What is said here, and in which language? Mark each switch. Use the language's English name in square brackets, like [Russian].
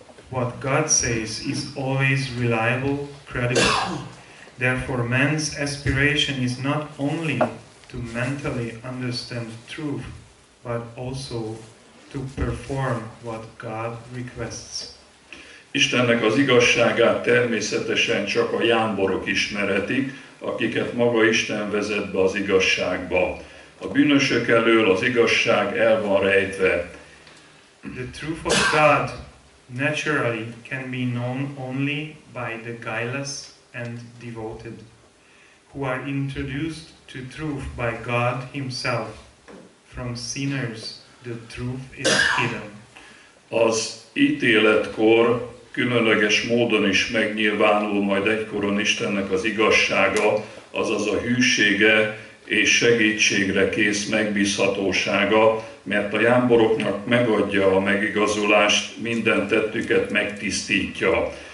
[English] What God says is always reliable, credible. Therefore, man's aspiration is not only to mentally understand truth, but also to perform what God requests. [Hungarian] Istennek az igazságát természetesen csak a jámborok ismerhetik, akiket maga Isten vezet be az igazságba. A bűnösök elől az igazság el van rejtve. [English] The truth of God naturally can be known only by the guileless and devoted, who are introduced to truth by God himself. From sinners the truth is hidden. [Hungarian] Az ítéletkor különleges módon is megnyilvánul majd egykoron Istennek az igazsága, azaz a hűsége és segítségre kész megbízhatósága, mert a jámboroknak megadja a megigazulást, minden tettüket megtisztítja.